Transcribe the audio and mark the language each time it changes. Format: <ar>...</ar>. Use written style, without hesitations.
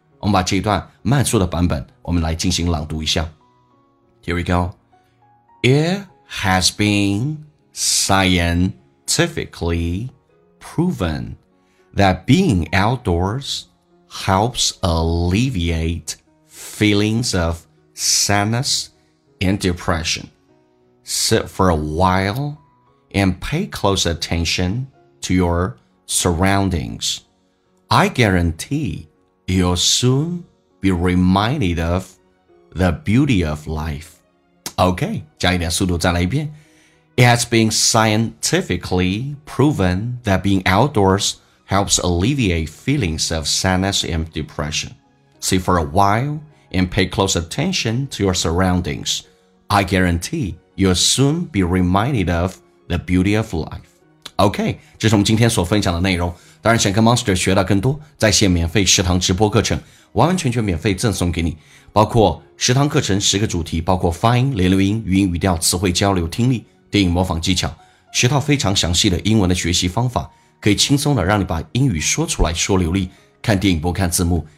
<zh>我们把这一段慢速的版本我们来进行朗读一下。</zh> <en>Here we go. It has been scientifically proven that being outdoors helps alleviate feelings of sadness and depression. Sit for a while and pay close attention to your surroundings. I guarantee you'll soon be reminded of the beauty of life.</en> <zh>OK, 加一点速度再来一遍。</zh> <en>It has been scientifically proven that being outdoors helps alleviate feelings of sadness and depression. See for a while and pay close attention to your surroundings. I guarantee you'll soon be reminded of the beauty of life.</en> <zh>OK, 这是我们今天所分享的内容。当然想跟 Monster 学到更多，在线免费食堂直播课程完完全全免费赠送给你，包括食堂课程十个主题，包括发音、连读音、语音语调、词汇交流、听力、电影模仿技巧，学到非常详细的英文的学习方法，可以轻松的让你把英语说出来说流利，看电影不看字幕。</zh>